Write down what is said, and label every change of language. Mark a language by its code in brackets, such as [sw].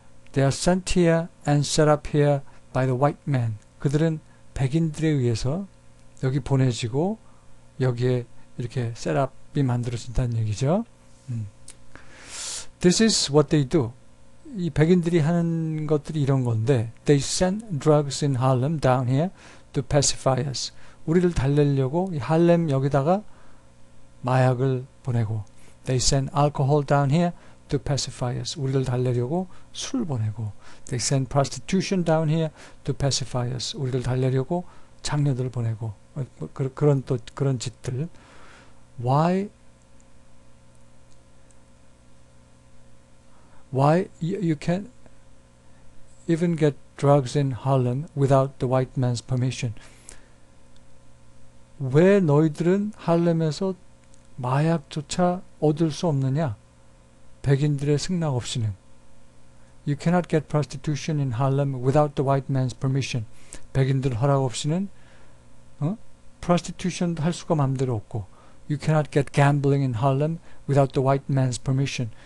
[en] They are sent here and set up here by the white man. [ko] 그들은 백인들에 의해서 여기 보내지고, 여기에 이렇게 셋업이 만들어진다는 얘기죠. [en] This is what they do. [ko] 이 백인들이 하는 것들이 이런 건데, [en] they send drugs in Harlem down here to pacify us. [ko] 우리를 달래려고 이 할렘 여기다가 마약을 보내고, [en] they send alcohol down here to pacify us. [ko] 우리를 달래려고 술 보내고, [en] they send prostitution down here to pacify us. [ko] 우리를 달래려고 장녀들을 보내고, 그런 또 그런 짓들. [en] Why you can't even get drugs in Harlem without the white man's permission? [ko] 왜 너희들은 할렘에서 마약조차 얻을 수 없느냐? 백인들의 승낙 없이는. [en] You cannot get prostitution in Harlem without the white man's permission. [ko] 백인들 허락 없이는 prostitution도 할 수가 맘대로 없고. [en] You cannot get gambling in Harlem without the white man's permission.